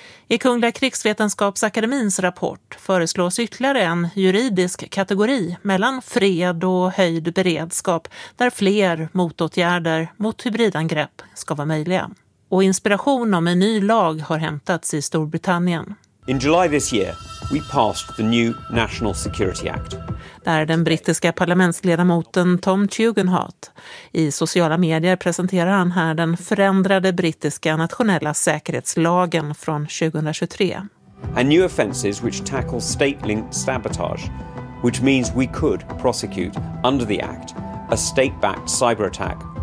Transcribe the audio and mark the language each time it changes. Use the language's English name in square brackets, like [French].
[Swedish] I Kungliga krigsvetenskapsakademins rapport föreslås ytterligare en juridisk kategori mellan fred och höjd beredskap där fler motåtgärder mot hybridangrepp ska vara möjliga. Och inspiration om en ny lag har hämtats i Storbritannien. [English] In July this year, we passed the new National Security Act. [Swedish] Där den brittiska parlamentsledamoten Tom Tugendhat. I sociala medier presenterar han här den förändrade brittiska nationella säkerhetslagen från 2023. [English] And new offences which tackle state-linked sabotage, which means we could prosecute under the act a state-backed cyberattack.